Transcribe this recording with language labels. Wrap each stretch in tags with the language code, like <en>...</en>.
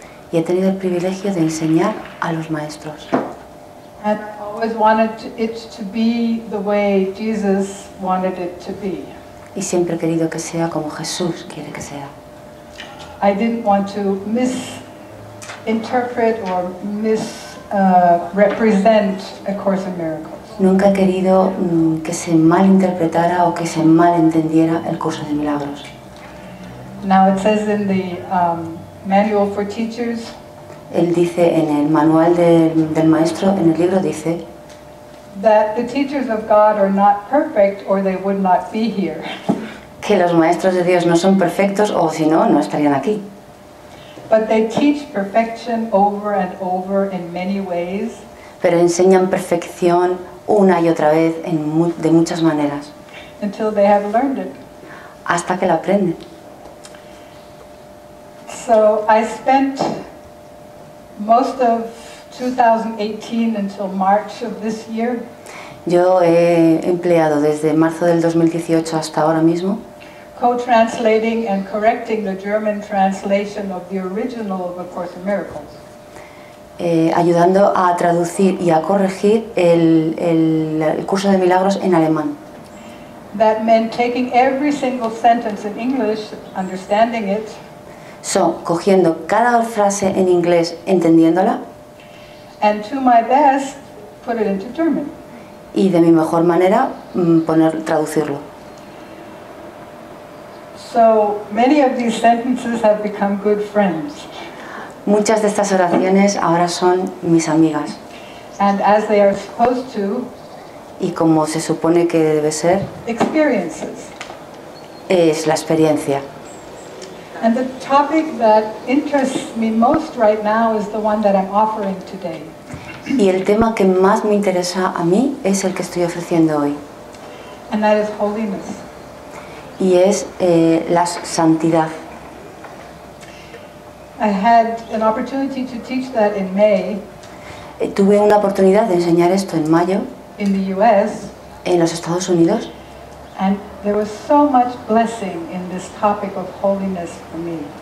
<es>Y he tenido el privilegio de enseñar a los maestros.</es> <en>And I always wanted it to be the way Jesus wanted it to be.</en> <es>Y siempre he querido que sea como Jesús quiere que sea.</es> <en>I didn't want to misinterpret or misrepresent A Course in Miracles.</en> <es>Nunca he querido que se malinterpretara o que se malentendiera el curso de milagros.</es> <en>Now it says in the manual for teachers.</en> <es>Él dice en el manual del maestro, en el libro dice.</es> <en>That the teachers of God are not perfect, or they would not be here.</en> <es>Que los maestros de Dios no son perfectos, o si no, no estarían aquí.</es> <en>But they teach perfection over and over in many ways.</en> <es>Pero enseñan perfección una y otra vez de muchas maneras.</es> <en>Until they have learned it.</en> <es>Hasta que la aprenden.</es> <en>So I spent most of 2018 until March of this year.</en> <es>Yo he empleado desde marzo del 2018 hasta ahora mismo.</es> <en>Co-translating and correcting the German translation of the original of A Course in Miracles.</en> <es>Ayudando a traducir y a corregir el curso de milagros en alemán.</es> <en>That meant taking every single sentence in English, understanding it.</en> <es>So, cogiendo cada frase en inglés, entendiéndola.</es> <en>And to my best, put it into German.</en> <es>Y de mi mejor manera, traducirlo.</es> <en>So many of these sentences have become good friends.</en> <es>Muchas de estas oraciones ahora son mis amigas.</es> <en>And as they are supposed to,</en> <es>y como se supone que debe ser,</es> <en>experiences.</en> <es>Es la experiencia.</es> <en>And the topic that interests me most right now is the one that I'm offering today.</en> <es>Y el tema que más me interesa a mí es el que estoy ofreciendo hoy.</es> <en>And that is holiness.</en> <es>Y es la santidad.</es> <en>I had an opportunity to teach that in May.</en> <es>Tuve una oportunidad de enseñar esto en mayo.</es> <en>In the US.</en> <es>En los Estados Unidos.</es> <en>And there was so much blessing in this topic of holiness for me.</en>